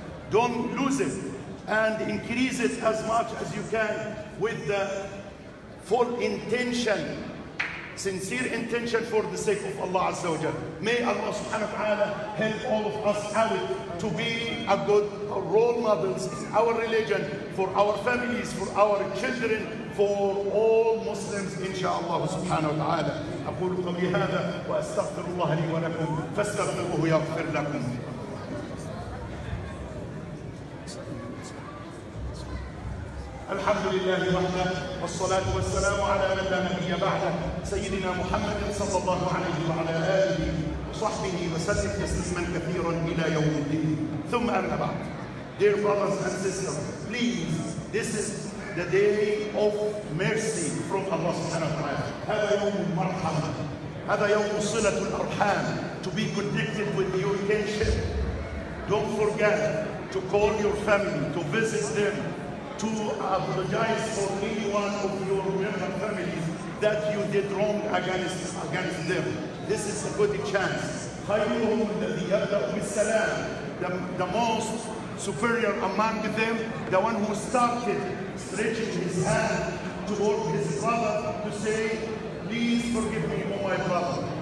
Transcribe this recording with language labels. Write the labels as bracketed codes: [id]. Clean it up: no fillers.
[en] Don't lose it and increase it as much as you can with the full intention, sincere intention for the sake of Allah Azza wa Jal. May Allah subhanahu wa ta'ala help all of us out to be a good role models in our religion, for our families, for our children, for all Muslims, inshaAllah subhanahu wa ta'ala. [ar] أقول قبل هذا وأستغفر الله لي ولكم فاستغفروه يغفر لكم. الحمد لله وحده والصلاة والسلام على من لا نبي بعده سيدنا محمد صلى الله عليه وعلى آله وصحبه وسلم تسليما كثيرا إلى يوم الدين. ثم أما بعد, [en] dear brothers and sisters, please, this is the day of mercy from Allah subhanahu wa ta'ala. [ar] هذا يوم مرحمة, هذا يوم صلة الأرحام, [en] to be connected with your kinship. Don't forget to call your family, to visit them, to apologize for any one of your member families that you did wrong against them. This is a good chance. [ar] خيرهم الذي يبدأ بالسلام, [en] the most superior among them, the one who started stretching his hand toward his brother to say, please forgive me, oh my brother.